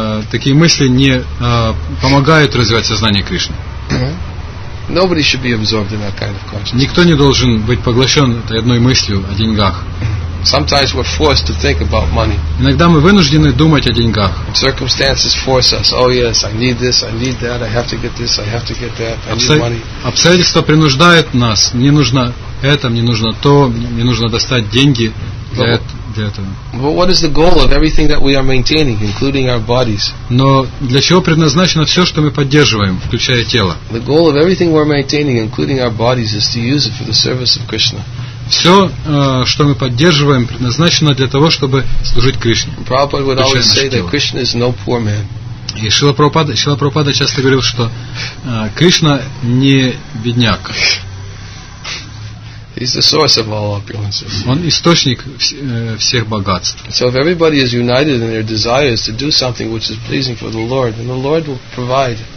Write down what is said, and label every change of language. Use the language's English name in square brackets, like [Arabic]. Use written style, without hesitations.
[Russian] Такие мысли не помогают развивать сознание Кришны. [English] Nobody should be absorbed in that kind of consciousness. [Russian] Никто не должен быть поглощен этой одной мыслью о деньгах. [English] Sometimes we're forced to think about money. [Russian] Иногда мы вынуждены думать о деньгах. [English] Circumstances force us. Oh yes, I need this, I need that, I have to get this, I have to get that. I need money. [Russian] Обстоятельства принуждают нас. Мне нужно это, мне нужно то, мне нужно достать деньги для этого. [English] But what is the goal of everything that we are maintaining, including our bodies? [Russian] Но для чего предназначено все, что мы поддерживаем, включая тело? [English] The goal of everything we're maintaining, including our bodies, is to use it for the service of Krishna. [Russian] Все, что мы поддерживаем, предназначено для того, чтобы служить Кришне. [English] Prabhupada would always say that Krishna is no poor man. [Russian] И Шрила Прабхупада часто говорил, что Кришна не бедняк. [English] He's the source of all opulences. [Russian] Он источник всех богатств. [English] So if everybody is united in their desires to do something which is pleasing for the Lord, then the Lord will provide.